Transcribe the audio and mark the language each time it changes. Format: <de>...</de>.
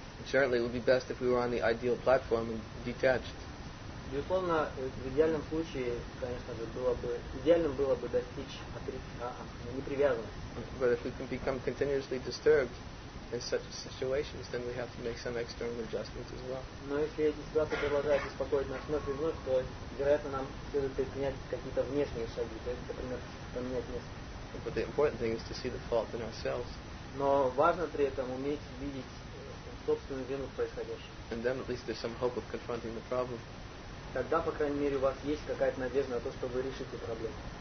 <en>Certainly, it would be best if we were on the ideal platform and detached.</en> <ru>Безусловно, в идеальном случае, конечно же, было бы идеальным было бы достичь непривязанности.</ru> <en>But if we can become continuously disturbed in such situations, then we have to make some external adjustments as well.</en> <ru>Но если эти ситуации продолжают беспокоить нас вновь и вновь, то, вероятно, нам следует предпринять какие-то внешние шаги, то есть, например, поменять место.</ru> <en>But the important thing is to see the fault in ourselves.</en> <ru>Но важно при этом уметь видеть собственную вину в происходящем.</ru> <en>And then at least there's some hope of confronting the problem.</en> <ru>Тогда, по крайней мере, у вас есть какая-то надежда на то, что вы решите проблему.</ru>